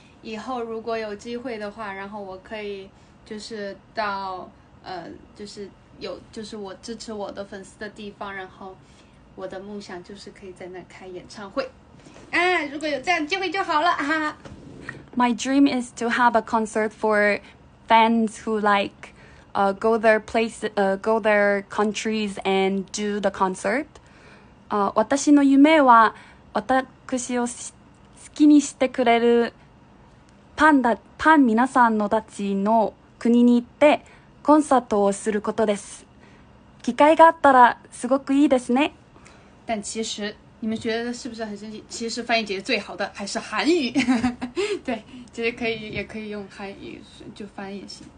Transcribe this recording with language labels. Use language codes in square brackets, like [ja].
[zh] 以后如果有机会的话，然后我可以就是到就是有就是我支持我的粉丝的地方，然后我的梦想就是可以在那开演唱会。如果有这样机会就好了哈。 [en] My dream is to have a concert for fans who like go their place go their countries and do the concert. [ja] 私の夢は私を好きにしてくれるファン皆さんのたちの国に行ってコンサートをすることです。機会があったらすごくいいですね。 [zh] 但其实你们觉得是不是很神奇，其实翻译姐姐最好的还是韩语。对，姐姐可以也可以用韩语就翻译也行。